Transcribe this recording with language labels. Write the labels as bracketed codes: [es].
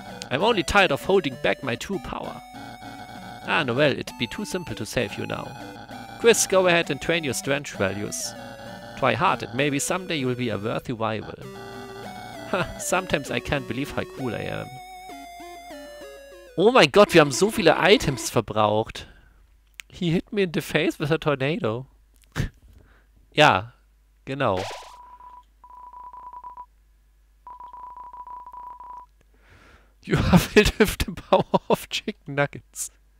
[en] I'm only tired of holding back my true power. Ah, Noel, it'd be too simple to save you now. Chris, go ahead and train your strength values. Try hard and maybe someday you'll be a worthy rival. Sometimes I can't believe how cool I am. [de] Oh mein Gott, wir haben so viele Items verbraucht. [en] He hit me in the face with a tornado. [de] Ja, genau. [en] You have filled with the power of chicken nuggets.